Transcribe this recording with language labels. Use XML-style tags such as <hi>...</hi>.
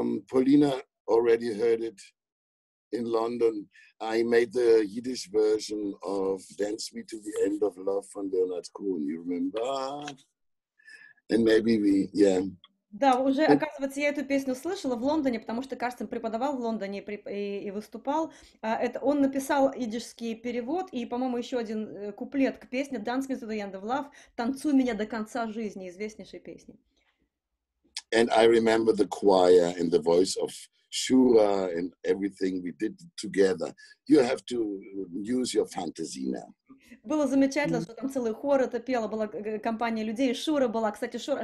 <en>Polina already heard it in London. I made the Yiddish version of Dance Me to the End of Love from Leonard Cohen, you remember? And maybe we, yeah.</en> <ru>Да, уже, оказывается, я эту песню слышала в Лондоне, потому что Карстен преподавал в Лондоне и выступал. Это он написал идишский перевод и, по-моему, еще один куплет к песне «Dance me to the end of love», «Танцуй меня до конца жизни», известнейшей песни.</ru> <en>And I remember the choir and the voice of Shura and everything we did together. You have to use your fantasy now.</en> <ru>Было замечательно, что там целый хор это пела, была компания людей, Шура была, кстати, Шура.</ru>